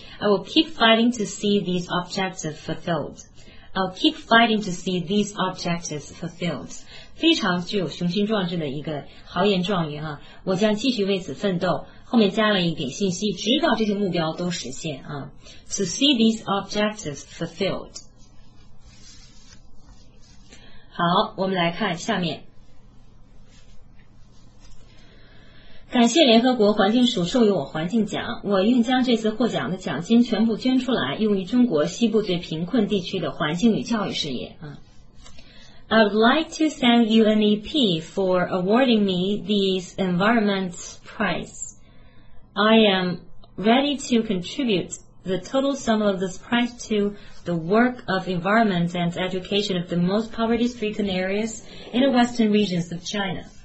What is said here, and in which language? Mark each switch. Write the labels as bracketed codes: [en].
[en] I will keep fighting to see these objectives fulfilled. I'll keep fighting to see these objectives fulfilled. [zh] 非常具有雄心壮志的一个豪言壮语啊！我将继续为此奋斗，后面加了一点信息，直到这些目标都实现啊。 [en] To see these objectives fulfilled. [zh] 好，我们来看下面。感谢联合国环境署授予我环境奖，我愿将这次获奖的奖金全部捐出来，用于中国西部最贫困地区的环境与教育事业。 [en] I would like to thank UNEP for awarding me this environment prize. I am ready to contribute the total sum of this prize to the work of environment and education of the most poverty-stricken areas in the western regions of China.